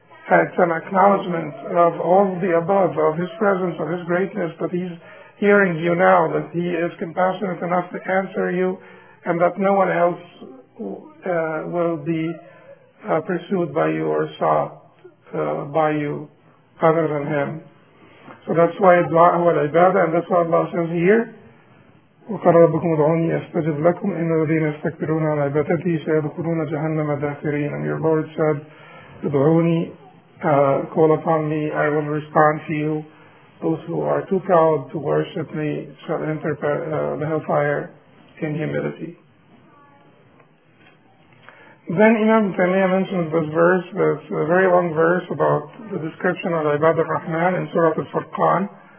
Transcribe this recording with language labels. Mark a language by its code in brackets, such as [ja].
[en] It's an acknowledgement of all of the above, of His presence, of His greatness, that He's hearing you now, that He is compassionate enough to answer you, and that no one else will be pursued by you or sought by you other than Him. So that's why du'a wal ibadah, and that's why Allah says here, [ar] وَقَرَ رَبُّكُمْ ادْعُونِي أَسْتَجِبْ لَكُمْ إِنَّ الَّذِينَ يَسْتَكْبِرُونَ عَلَى عِبَادَتِي سَيَدْخُلُونَ جَهَنَّمَ دَاخِرِينَ. [en] And your Lord said, [ar] ادْعُونِي, [en] call upon me, I will respond to you. Those who are too proud to worship me shall enter the hellfire in humility. Then Imam Taymiyyah mentions this verse, this very long verse about the description of Ibad al-Rahman in Surah al-Furqan.